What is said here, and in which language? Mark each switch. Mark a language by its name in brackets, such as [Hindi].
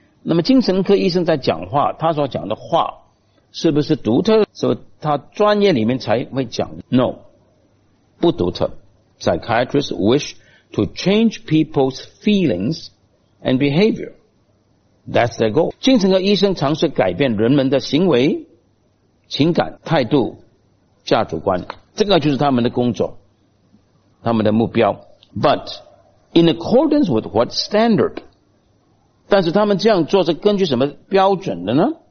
[Chinese] 那么精神科医生在讲话，他所讲的话是不是独特，是不是他专业里面才会讲？ No， 不独特。 [English] Psychiatrists wish to change people's feelings and behavior， That's their goal。 [Chinese] 精神科医生尝试改变人们的行为、情感、态度、价值观，这个就是他们的工作，他们的目标。 [English] But in accordance with what standard？ [Chinese] 但是他们这样做是根据什么标准的呢？